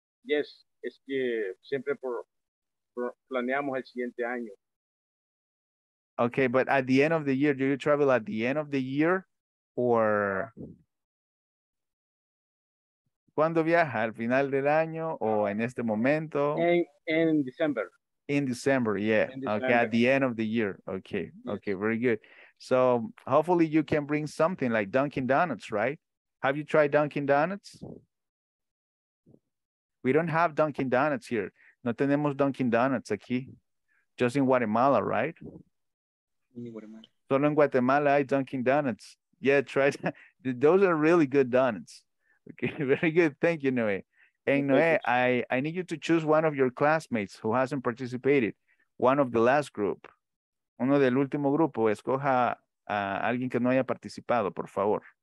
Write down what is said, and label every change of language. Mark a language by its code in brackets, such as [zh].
[es] Es que siempre por planeamos el siguiente año. [en] Okay, but at the end of the year, do you travel at the end of the year? Or... [es] ¿Cuándo viaja? ¿Al final del año o en este momento? [en] In December. In December, yeah. In December. Okay, at the end of the year. Okay, yes. Okay, very good. So hopefully you can bring something like Dunkin' Donuts, right? Have you tried Dunkin' Donuts? We don't have Dunkin' Donuts here. [es] No tenemos Dunkin' Donuts aquí. [en] Just in Guatemala, right? In Guatemala. [es] Solo en Guatemala hay Dunkin' Donuts. [en] Yeah, try that. Those are really good donuts. Okay, very good. Thank you, Noé. And Noé, I need you to choose one of your classmates who hasn't participated. One of the last group. [es] Uno del último grupo. Escoja a alguien que no haya participado, por favor.